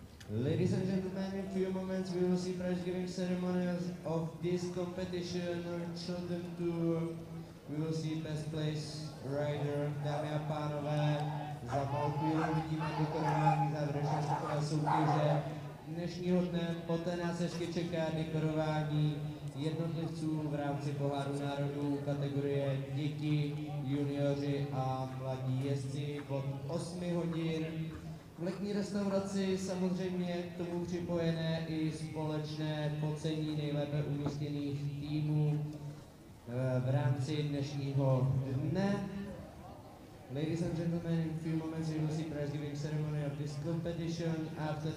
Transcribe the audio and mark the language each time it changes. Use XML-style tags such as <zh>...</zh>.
<en>Ladies and gentlemen, in a few moments we will see prize giving ceremonies of this competition on Children Tour. We will see best place rider,</en> <cs>dámy a pánové, za palku uvidíme dekorování závěrečné skokové soutěže. Dnešního dne poté nás ještě čeká dekorování jednotlivců v rámci Poháru národů kategorie děti, junioři a mladí jezdci od 8 hodin. V letní restauraci samozřejmě k tomu připojené i společné pocení nejlépe umístěných týmů v rámci dnešního dne.</cs> <en>Ladies and gentlemen, in a few moments you will see prize giving ceremony of this competition after that.</en>